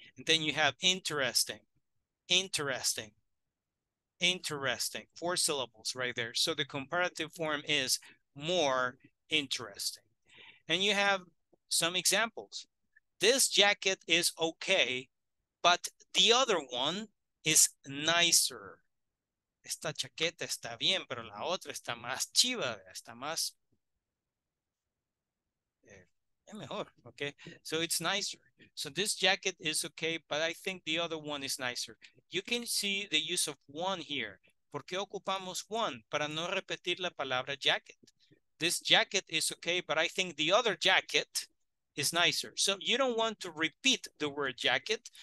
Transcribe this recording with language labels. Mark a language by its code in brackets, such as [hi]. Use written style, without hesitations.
[en] And then you have interesting, interesting, interesting, four syllables right there. So the comparative form is more interesting. And you have some examples. This jacket is okay, but the other one is nicer. [es] Esta chaqueta está bien, pero la otra está más chiva, está más mejor, okay? [en] So it's nicer. So this jacket is okay, but I think the other one is nicer. You can see the use of one here. [es] ¿Por qué ocupamos [en] one? [es] Para no repetir la palabra [en] jacket. This jacket is okay, but I think the other jacket is nicer. So you don't want to repeat the word jacket.